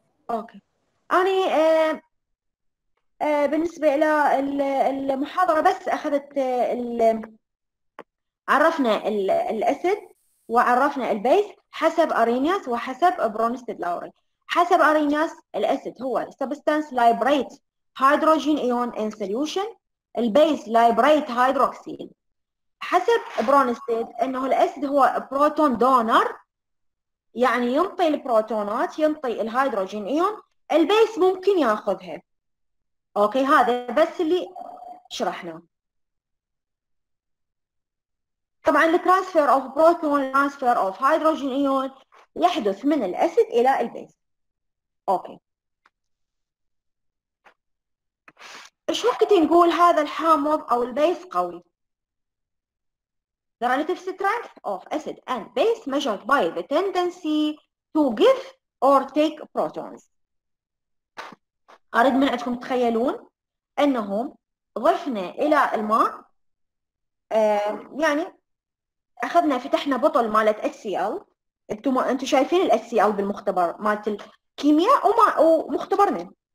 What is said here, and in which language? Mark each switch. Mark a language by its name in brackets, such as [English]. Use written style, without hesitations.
[Arabic] اوكي اني بالنسبة إلى المحاضرة، بس أخذت عرفنا الأسيد وعرفنا البيس حسب أرينياس وحسب برونستيد لاوري. حسب أرينياس، الأسيد هو [English] substance liberate hydrogen ion in solution، [Arabic] البيس [English] liberate hydroxyl. [Arabic] حسب برونستيد أنه الأسيد هو بروتون دونر، يعني ينطي البروتونات، ينطي الهيدروجين ايون، البيس ممكن ياخذها. اوكي، هذا بس اللي شرحناه. طبعا الترانسفير اوف بروتون، ترانسفير اوف هيدروجين ايون يحدث من الاسيد الى البيس. اوكي، ايش وقت نقول هذا الحامض او البيس قوي؟ [English] The relative strength of acid and base measured by the tendency to give or take protons. [Arabic] أريد من عندكم تخيلون أنه ضفنا إلى الماء، يعني أخذنا فتحنا بطل مالت HCl. أنتم شايفين ال HCl بالمختبر مالت الكيمياء ومختبرنا.